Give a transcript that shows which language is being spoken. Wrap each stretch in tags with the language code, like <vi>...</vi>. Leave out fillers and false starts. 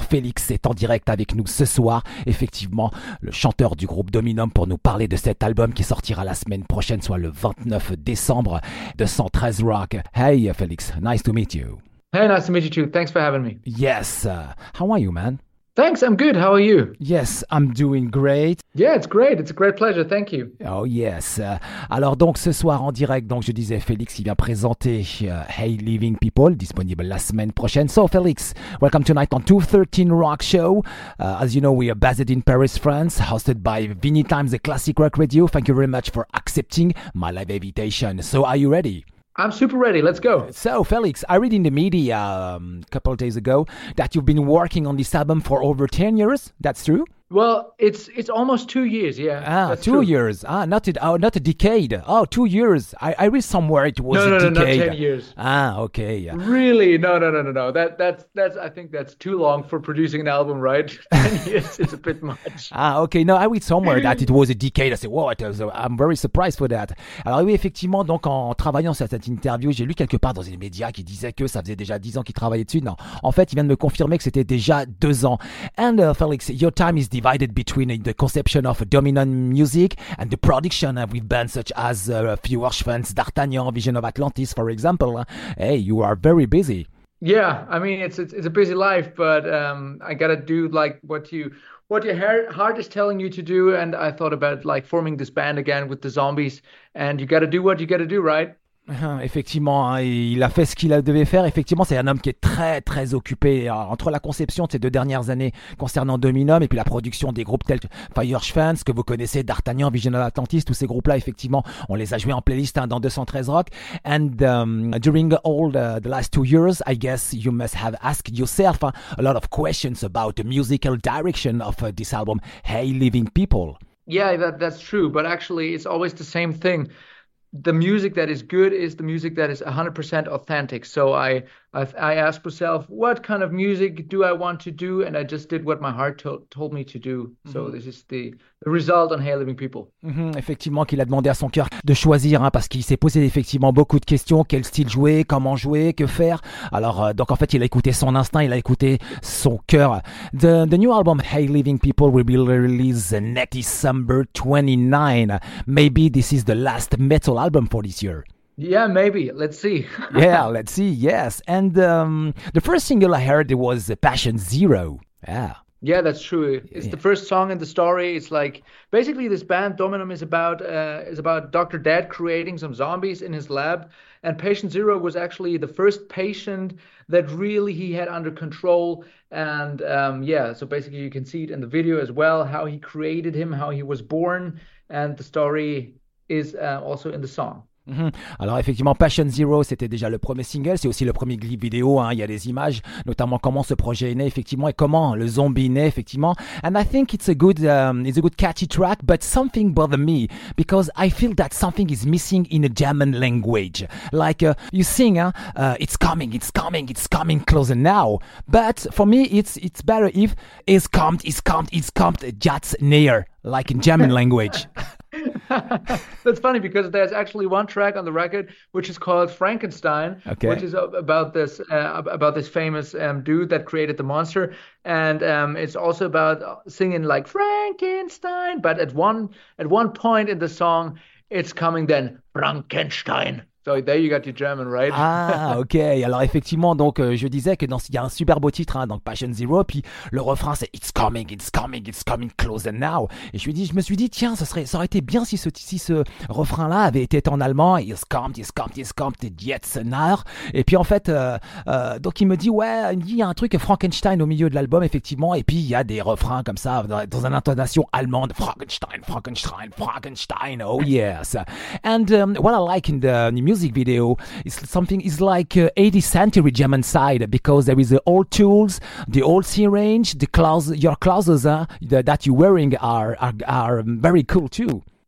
<fr>Félix est en direct avec nous ce soir, effectivement, le chanteur du groupe Dominum, pour nous parler de cet album qui sortira la semaine prochaine, soit le 29 décembre, 213 Rock.</fr> <en>Hey Félix, nice to meet you. Hey, nice to meet you too, thanks for having me. Yes, how are you, man? Thanks, I'm good. How are you? Yes, I'm doing great. Yeah, it's great. It's a great pleasure. Thank you. Oh, yes.</en> <fr>Alors, donc, ce soir en direct, donc, je disais, Félix, il vient présenter Hey Living People, disponible la semaine prochaine.</fr> <en>So, Félix, welcome tonight on 213 Rock Show. As you know, we are based in Paris, France, hosted by Vinyl Times, the Classic Rock Radio. Thank you very much for accepting my live invitation. So, are you ready? I'm super ready. Let's go. So, Félix, I read in the media a couple of days ago that you've been working on this album for over 10 years. That's true? Well, it's almost 2 years, yeah. Ah, 2 years. Ah, not a decade. Oh, 2 years. I read somewhere it was a decade. No, 10 years. Ah, okay. Really? No. I think that's too long for producing an album, right? 10 years is a bit much. Ah, okay. No, I read somewhere that it was a decade. I said, wow, I'm very surprised for that.</en> <fr>Alors oui, effectivement, donc en travaillant sur cette interview, j'ai lu quelque part dans les médias qui disait que ça faisait déjà 10 ans qu'il travaillait dessus. Non, en fait, il vient de me confirmer que c'était déjà 2 ans.</fr> <en>And Félix, your time is divided between the conception of Dominum music and the production with bands such as Feuerschwanz, D'Artagnan, Vision of Atlantis, for example. Hey, you are very busy. Yeah, I mean, it's a busy life, but I gotta do like what your heart is telling you to do. And I thought about like forming this band again with the zombies, and you got to do what you got to do, right?</en> <fr>Effectivement, il a fait ce qu'il devait faire. Effectivement, c'est un homme qui est très très occupé. Alors, entre la conception de ces 2 dernières années concernant Dominum et puis la production des groupes tels que Firechance, que vous connaissez, D'Artagnan, Vision of Atlantis, tous ces groupes-là, effectivement, on les a joués en playlist hein, dans 213 Rock.</fr> <en>And during all the last 2 years, I guess you must have asked yourself a lot of questions about the musical direction of this album, Hey Living People. Yeah, that's true, but actually, it's always the same thing. The music that is good is the music that is 100% authentic. So I asked myself, what kind of music do I want to do? And I just did what my heart told me to do. So this is the result on Hey Living People.</en> <fr>Effectivement, qu'il a demandé à son cœur de choisir, hein, parce qu'il s'est posé effectivement beaucoup de questions. Quel style jouer, comment jouer, que faire. Alors, donc en fait, il a écouté son instinct, il a écouté son cœur.</fr> <en>The new album, Hey Living People, will be released next December 29. Maybe this is the last metal album for this year. Yeah, maybe. Let's see. Yeah, let's see. Yes. And the first single I heard, it was Passion Zero. Yeah. Yeah, that's true. It's the Yeah. first song in the story. It's like basically this band Dominum is about Dr. Dead creating some zombies in his lab. And Patient Zero was actually the first patient that really he had under control. And yeah, so basically you can see it in the video as well, how he created him, how he was born, and the story is also in the song. Alors effectivement, Passion Zero, c'était déjà le premier single, c'est aussi le premier clip vidéo, hein. Il y a des images, notamment comment ce projet est né, effectivement, et comment le zombie naît, effectivement. And I think it's a good catchy track, but something bothers me because I feel that something is missing in the German language. Like you sing, it's coming, it's coming, it's coming closer now. But for me, it's better if it's come, it's come, it's come just near, like in German language. That's funny because there's actually one track on the record which is called Frankenstein, which Okay. is about this famous dude that created the monster, and it's also about singing like Frankenstein, but at one point in the song it's coming then Frankenstein. So there you got your German, right?</en> <fr>Ah, ok. Alors effectivement, donc je disais que dans il y a un super beau titre, hein, donc Passion Zero, puis le refrain c'est</fr> <en>It's coming, it's coming, it's coming closer now.</en> <fr>Et je me suis dit tiens, ça aurait été bien si ce refrain-là avait été en allemand.</fr> <en>It's come, it's come, it's come,</en> <de>jetzt</de> <en>now.</en> <fr>Et puis en fait, donc il me dit ouais, il y a un truc Frankenstein au milieu de l'album effectivement. Et puis il y a des refrains comme ça dans une intonation allemande.</fr> <en>Frankenstein, Frankenstein, Frankenstein. Oh yes. And what I like in the music video is something is like 80th century German side because there is the old tools, the old syringe, the clothes, your clothes that you're wearing are very cool too.</en>